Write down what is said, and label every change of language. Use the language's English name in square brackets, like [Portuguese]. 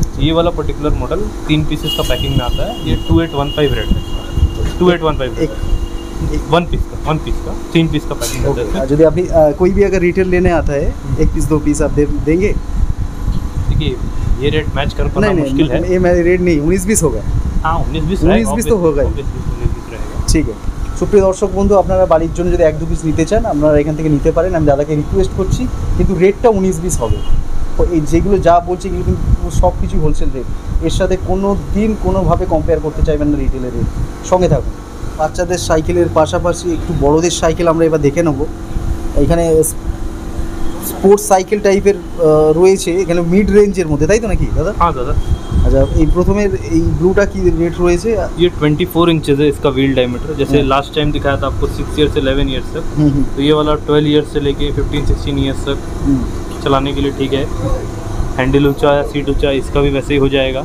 [Hindi] ये वाला particular model तीन पीसेस का पैकिंग में आता है, ये 2815 रेट है, 2815 वन पीस का तीन पीस का पैकिंग। जो अभी कोई भी अगर रिटेल लेने आता है, एक पीस दो पीस आप देंगे? देखिए ये रेट मैच कर पाना मुश्किल है, ये मेरे रेट नहीं, 19-20 होगा। हाँ, 19-20 तो होगा, ठीक है। [Bangla] সুপ্রিয় দর্শক বন্ধু, আপনারা বাড়ির জন্য যদি এক দু পিস নিতে চান, আপনারা এখান থেকে নিতে পারেন, আমি দাদাকে রিকোয়েস্ট করছি, কিন্তু রেটটা 19-20 হবে। তো এই যেগুলো যা বলছে এগুলো কিন্তু সব কিছুই হোলসেল রেট, এর সাথে কোনো দিন কোনোভাবে কম্পেয়ার করতে চাইবেন না রিটেলের রেট। সঙ্গে থাকুন, বাচ্চাদের সাইকেলের পাশাপাশি একটু বড়দের সাইকেল আমরা এবার দেখে নেব। এখানে স্পোর্টস সাইকেল টাইপের রয়েছে এখানে, মিড রেঞ্জের মধ্যে, তাই তো নাকি দাদা? হ্যাঁ দাদা। [Hindi] अच्छा, ये प्रथम है, ये ब्लूटा की रेट रहे से? ये 24 इंचेस है इसका व्हील डायमीटर, जैसे लास्ट टाइम दिखाया था आपको 6 इयर्स से 11 इयर्स तक, तो ये वाला 12 इयर्स से लेके 15-16 इयर्स तक चलाने के लिए ठीक है। हैंडल ऊंचा है, सीट ऊंचा है, इसका भी वैसे ही हो जाएगा।